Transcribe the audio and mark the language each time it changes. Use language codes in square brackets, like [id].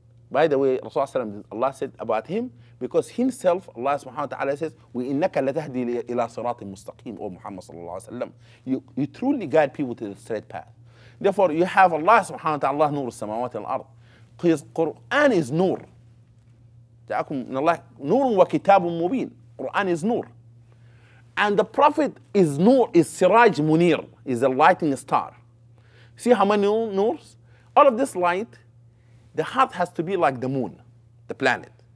[en] By the way, Rasulullah ﷺ, Allah said about him, because himself, Allah subhanahu wa ta'ala says, [ar] وَإِنَّكَ لَتَهْدِي إِلَىٰ صِرَاطٍ مُسْتَقِيمٍ [en] O Muhammad صلى الله عليه وسلم. You truly guide people to the straight path. Therefore, you have Allah subhanahu wa ta'ala, [ar] نور السماوات والأرض. [en] Quran is نور. [ar] جاءكم من الله نور وكتاب مبين. [en] Quran is نور. And the Prophet is نور, is Siraj Munir, is a lighting star. See how many نورs? All of this light, the heart has to be like the moon, the planet.